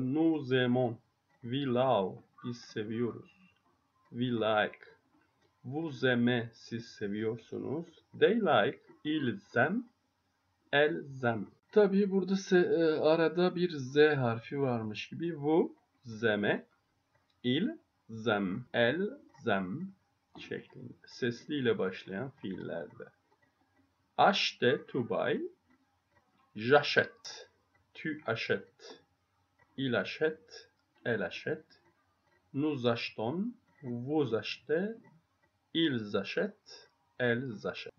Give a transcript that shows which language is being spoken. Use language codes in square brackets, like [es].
[fr] Nous aimons, [en] we love, [tr] biz seviyoruz. [en] We like, [fr] vous aimez, [tr] siz seviyorsunuz. [en] They like, [fr] ils aiment, elles aiment. [tr] Tabii burada arada bir z harfi varmış gibi. [fr] Vous aimez, ils aiment, elles aiment [tr] şeklinde. Sesliyle başlayan fiillerde. [fr] Acheter, [en] to buy. [fr] J'achète, tu achètes, il achète, elle achète, nous achetons, vous achetez, ils achètent, elles achètent.